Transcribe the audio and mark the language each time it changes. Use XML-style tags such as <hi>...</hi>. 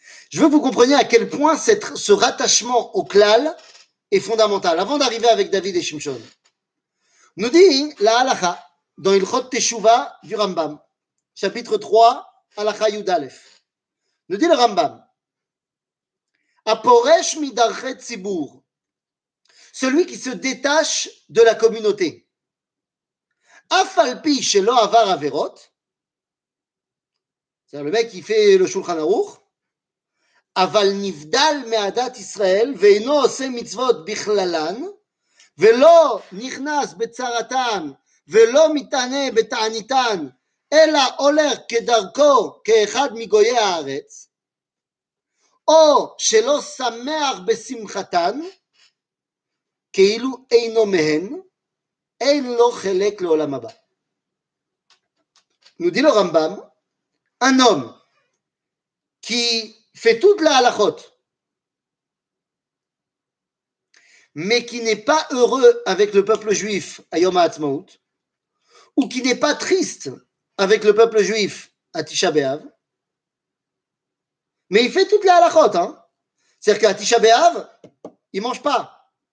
<fr>Je veux que vous compreniez à quel point ce rattachement au clal est fondamental. Avant d'arriver avec David et Shimshon, nous dit la halakha dans Ilchot Teshuva du Rambam, chapitre 3, halakha Yud Alef. Nous dit le Rambam,</fr> <he>Aporesh midarche tzibur,</he> <fr>celui qui se détache de la communauté,</fr> <he>Afalpi shelo avar averot,</he> <fr>c'est-à-dire le mec qui fait le Shulchan Aruch,</fr> <he>אבל נבדל מעדת ישראל ואינו עושה מצוות בכללן ולא נכנס בצרתן ולא מתענה בתעניתן אלא הולך כדרכו כאחד מגויי הארץ או שלא שמח בשמחתן כאילו אינו מהן אין לו חלק לעולם הבא. נודי לו רמב״ם אנום כי</he> <fr>fait toute la halakhot, mais qui n'est pas heureux avec le peuple juif à Yom HaAtzmaout, ou qui n'est pas triste avec le peuple juif à Tisha B'Av, mais il fait toute la halakhot. Hein. C'est-à-dire qu'à Tisha B'Av, il ne mange pas.</fr>